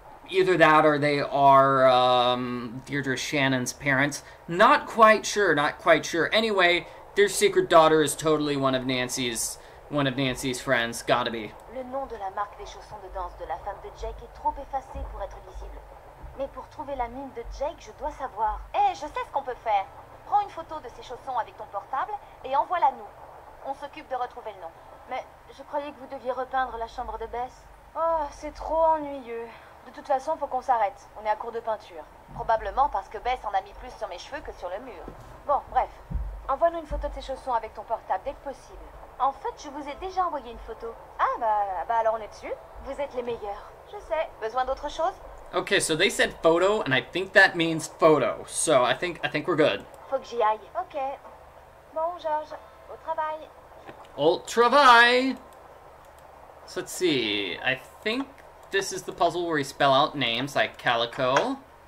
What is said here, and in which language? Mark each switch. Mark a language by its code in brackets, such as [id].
[en] Either that or they are Deirdre Shannon's parents. Not quite sure. Anyway, their secret daughter is totally one of Nancy's friends. Gotta be. [fr] Le nom de la marque des chaussons de danse de la femme de Jake est trop effacé pour être lisible. Mais pour trouver la mine de Jake, je dois savoir. Hey, je sais ce qu'on peut faire. Prends une photo de ces chaussons avec ton portable et envoie-la nous. On s'occupe de retrouver le nom. Mais je croyais que vous deviez repeindre la chambre de Bess. Oh, c'est trop ennuyeux. De toute façon, faut qu'on s'arrête. On est à court de peinture. Probablement parce que Bess en a mis plus sur mes cheveux que sur le mur. Bon, bref. Envoie-nous une photo de ces chaussons avec ton portable dès que possible. En fait, je vous ai déjà envoyé une photo. Ah, bah alors on est dessus. Vous êtes les meilleurs. Je sais. Besoin d'autre chose? [en] Okay, so they said photo, and I think that means photo. So I think we're good. [fr] Faut que j'y aille. Okay. Bon, Georges. Au travail. Au travail. [en] So let's see. I think this is the puzzle where you spell out names like Calico.